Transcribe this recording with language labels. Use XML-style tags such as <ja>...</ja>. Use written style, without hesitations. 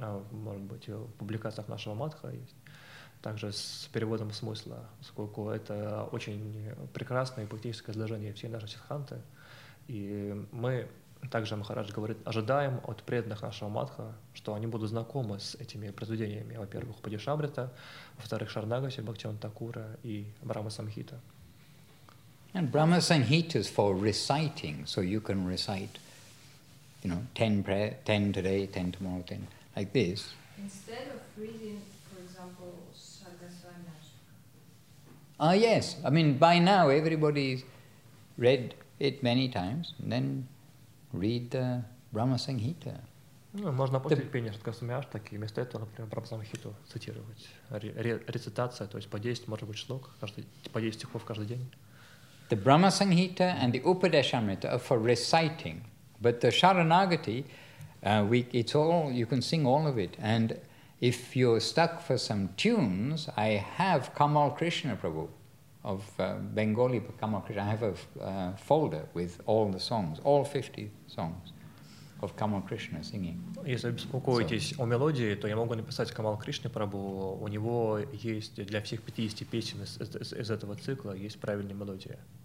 <ru>Может быть, в публикациях нашего Матха есть. Также с переводом смысла, поскольку это очень прекрасное поэтическое изложение всей нашей сиддханты. И мы, также Махарадж говорит, ожидаем от преданных нашего Матха, что они будут знакомы с этими произведениями, во-первых, Падьяшамрита, во-вторых, Шарнагати, Бхактивинода Такура и Брахма Самхита.</ru> <en>And Brahma Samhita is for reciting, so you can recite, you know, 10 today, 10 tomorrow, 10, like this. Instead of reading, for example, Sagasvayamashtaka. Yes. I mean, by now, everybody's read it many times, and then read the Brahma Samhita.</en> <ru>Можно после пения Сагасвамиаштаки, вместо этого, например, Брахма Самхиту цитировать. Рецитация, то есть по 10, может быть, шлок, по 10 стихов каждый день.</ru> <en>The Brahma Samhita and the Upadeshamrita are for reciting, but the Sharanagati, it's all you can sing all of it. And if you're stuck for some tunes, I have Kamal Krishna Prabhu, of Bengali Kamal Krishna. I have a folder with all the songs, all 50 songs of Kamal Krishna singing.</en> <ru>Если беспокоитесь о мелодии, то я могу написать Камал Кришне Прабу. У него есть для всех 50 песен из этого цикла есть правильная мелодия.</ru>